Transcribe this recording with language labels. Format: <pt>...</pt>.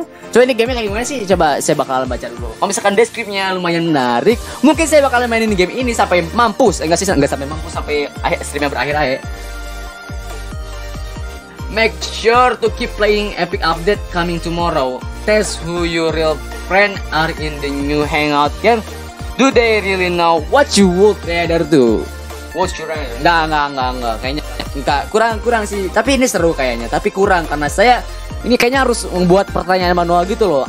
<id>Coba ini game-nya kayak gimana sih? Coba saya bakal baca dulu. Kalau misalkan deskripsinya lumayan menarik, mungkin saya bakal mainin game ini sampai mampus. Enggak sampai mampus sampai stream-nya berakhir aja.</id> <en>Make sure to keep playing Epic Update coming tomorrow. Test who your real friend are in the new hangout game. Do they really know what you would rather do? What's your rather?</en> <id>Enggak. Kayaknya enggak kurang sih, tapi ini seru kayaknya, tapi kurang karena saya ini kayaknya harus membuat pertanyaan manual gitu loh.</id>